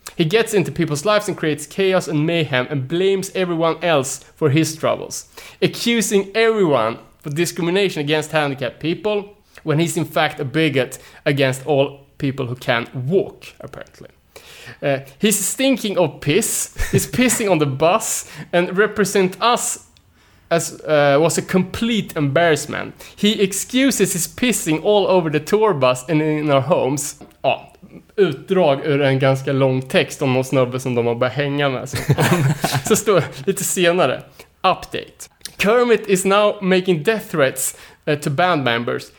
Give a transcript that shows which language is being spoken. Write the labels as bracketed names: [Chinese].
[English] He gets into people's lives and creates chaos and mayhem and blames everyone else for his troubles, accusing everyone for discrimination against handicapped people when he's in fact a bigot against all people who can't walk, apparently. He's stinking of piss. He's pissing on the bus and represent us as was a complete embarrassment. He excuses his pissing all over the tour bus and in our homes. [Swedish] Ja, utdrag ur en ganska lång text om någon snubbe som de har börjat hänga med. Så står lite senare. [English] Update. Kermit is now making death threats to band members.